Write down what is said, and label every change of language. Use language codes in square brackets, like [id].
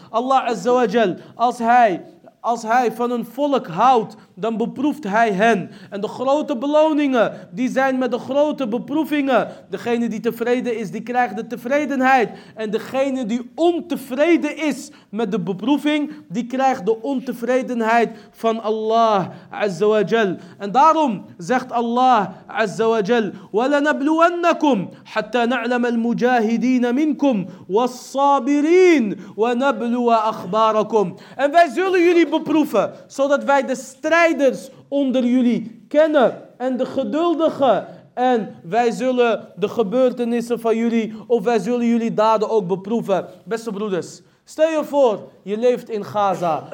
[nl] Allah Azza wa Jal, als hij van een volk houdt, dan beproeft hij hen. En de grote beloningen, die zijn met de grote beproevingen. Degene die tevreden is, die krijgt de tevredenheid. En degene die ontevreden is met de beproeving, die krijgt de ontevredenheid van Allah Azza wa Jal. En daarom zegt Allah Azza wa Jal: [ar] وَلَنَبْلُوَنَّكُمْ حَتَّى نَعْلَمَ الْمُجَاهِدِينَ مِنْكُمْ وَالصَّابِرِينَ وَنَبْلُوَ أَخْبَارَكُمْ. [nl] En wij zullen jullie beproeven, zodat wij de strijders onder jullie kennen en de geduldigen, en wij zullen de gebeurtenissen van jullie, of wij zullen jullie daden ook beproeven. Beste broeders, stel je voor, je leeft in Gaza.